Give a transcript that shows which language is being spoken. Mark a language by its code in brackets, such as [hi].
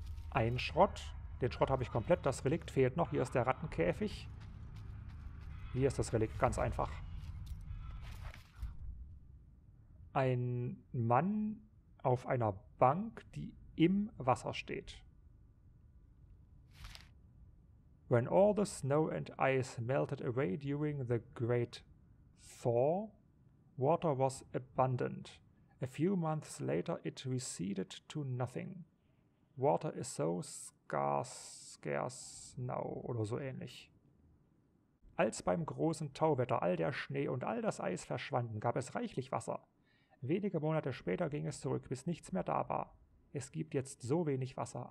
[de] Ein Schrott. Den Schrott habe ich komplett. Das Relikt fehlt noch. Hier ist der Rattenkäfig. Hier ist das Relikt. Ganz einfach. Ein Mann auf einer Bank, die im Wasser steht. [en] When all the snow and ice melted away during the Great Thaw, water was abundant. A few months later it receded to nothing. Water is so scarce now, [de] oder so ähnlich. Als beim großen Tauwetter all der Schnee und all das Eis verschwanden, gab es reichlich Wasser. Wenige Monate später ging es zurück, bis nichts mehr da war. Es gibt jetzt so wenig Wasser.